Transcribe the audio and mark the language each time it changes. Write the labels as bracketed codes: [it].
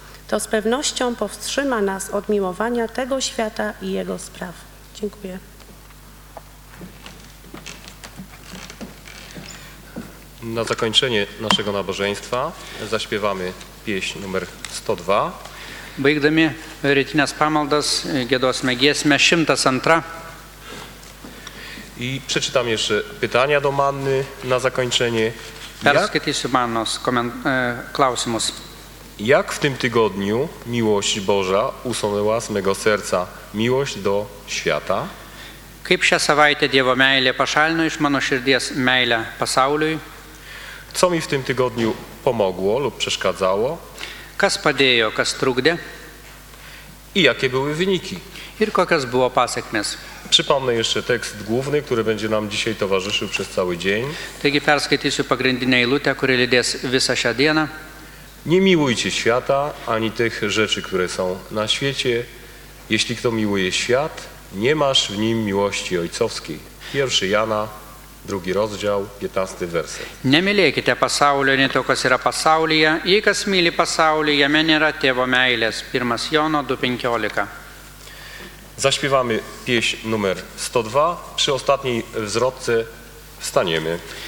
[pl] To z pewnością powstrzyma nas od miłowania tego świata i jego spraw. Dziękuję. Na zakończenie naszego nabożeństwa zaśpiewamy pieśń numer 102. [lt] Baigdami rytinės pamaldas giedosime giesmę 102. [pl] I przeczytam jeszcze pytania do manny na zakończenie. [lt] Perskaitysiu mannos klausimus. [pl] Jak w tym tygodniu miłość Boża usunęła z mego serca miłość do świata? [lt] Kaip šią savaitę Dievo meilė pašalino iš mano širdies meilę pasauliui? [pl] Co mi w tym tygodniu pomogło lub przeszkadzało? [lt] Kas padėjo, kas trukdė? [pl] I jakie były wyniki? [lt] Ir kokios buvo pasekmės? [pl] Przypomnę jeszcze tekst główny, który będzie nam dzisiaj towarzyszył przez cały dzień. [lt] Taigi perskaitysiu pagrindinę eilutę, kuri lydės visą šią dieną. [pl] Nie miłujcie świata, ani tych rzeczy, które są na świecie. Jeśli kto miłuje świat, nie masz w nim miłości ojcowskiej. 1 Jana, 2 rozdział, 15 werset. [lt] Nie mylėkite pasaulio, nie to, kas yra pasaulyje. Jei kas myli pasaulį, jame nėra tėvo meilės. 1 Jono, 2:15. [pl] Zaśpiewamy pieśń numer 102. Przy ostatniej zwrotce staniemy.